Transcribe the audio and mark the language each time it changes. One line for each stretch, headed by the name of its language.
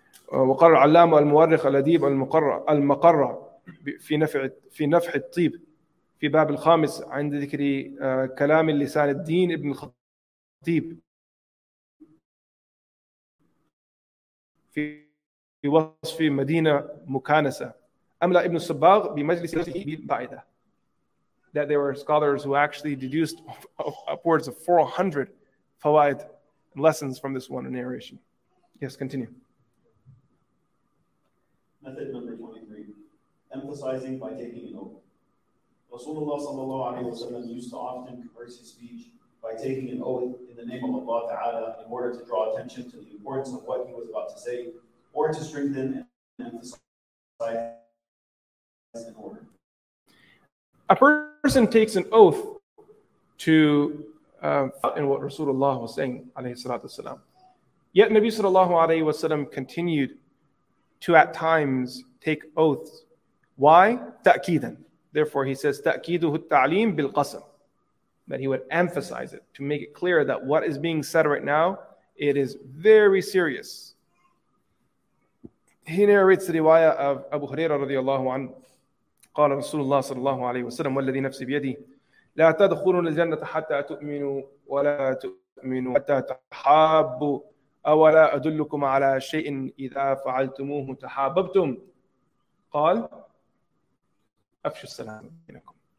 Arabic: وقال العلامة المؤرخ الأديب المقرة في نفع الطيب في باب الخامس عند ذكر كلام لسان الدين ابن الخطيب في وصف مدينة مكانسة أملى ابن الصباغ بمجلس بعيدة.
English: That there were scholars who actually deduced upwards of 400 fawaid and lessons from this one narration. Yes, continue. Method number 23, emphasizing by taking an oath. Rasulullah sallallahu alayhi wa sallam used to often converse his speech by taking an oath in the name of Allah ta'ala in order to draw attention to the importance of what he was about to say or to strengthen and emphasize an order. A person takes an oath to in what Rasulullah was saying, alayhi salatu wasalam. Yet Nabi sallallahu alayhi wasalam continued to at times take oaths. Why? Ta'kidan. Therefore, he says,
Arabic: ta'kiduhu ta'aleem bil qasam.
English: That he would emphasize it to make it clear that what is being said right now, it is very serious. He narrates the riwayah of Abu Huraira radiallahu anhu.
Arabic: قال رسول الله صلى الله عليه وسلم والذي نفسي بيدي لا تدخلوا الجنة حتى تؤمنوا ولا تؤمنوا حتى تحابوا أولا أدلكم على شيء إذا فعلتموه تحاببتم قال أفشوا السلام بينكم.